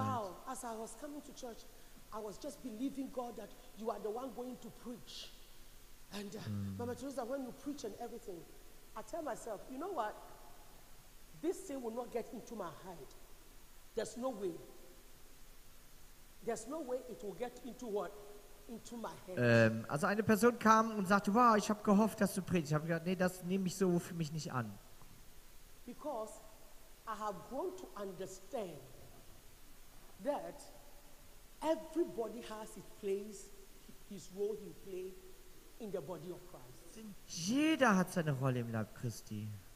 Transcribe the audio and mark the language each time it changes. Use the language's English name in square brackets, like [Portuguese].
[English] Wow, as I was coming to church, I was just believing God that you are the one going to preach. And Mama Teresa, when you preach and everything, I tell myself, you know what? This thing will not get into my head. There's no way. There's no way it will get into what? Into my head. [German] Also eine Person kam und sagte, wow, ich habe gehofft, dass du predigst. Ich habe gesagt, nee, das nehme ich so für mich nicht an. [English] Because I have grown to understand that everybody has his place, his role he played in the body of Christ. [German] Jeder hat seine Rolle im Leib Christi.